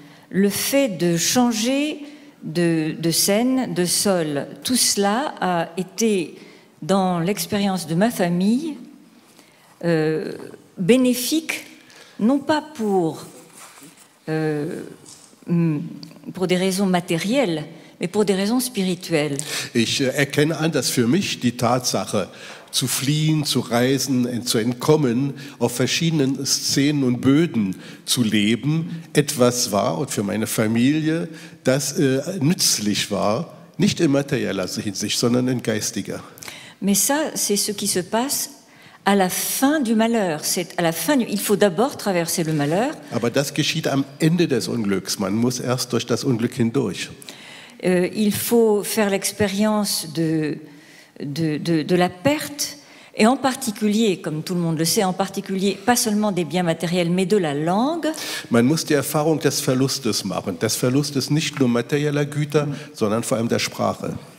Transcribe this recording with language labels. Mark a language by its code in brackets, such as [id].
[fr] le fait de changer de scène, de sol, tout cela a été, dans l'expérience de ma famille, bénéfique, non pas pour des raisons matérielles, mais pour des raisons spirituelles. [de] Ich erkenne an, dass für mich die Tatsache, zu fliehen, zu reisen, zu entkommen, auf verschiedenen Szenen und Böden zu leben, etwas war, und für meine Familie, das nützlich war, nicht in materieller Hinsicht, sondern in geistiger. [fr] Mais ça, c'est ce qui se passe à la fin du malheur. C'est à la fin. Il faut d'abord traverser le malheur. [de] Aber das geschieht am Ende des Unglücks. Man muss erst durch das Unglück hindurch. [fr] Il faut faire l'expérience de la perte, et en particulier, comme tout le monde le sait, en particulier, pas seulement des biens matériels, mais de la langue. [de] Man muss die Erfahrung des Verlustes machen. Des Verlustes nicht nur materieller Güter, sondern vor allem der Sprache.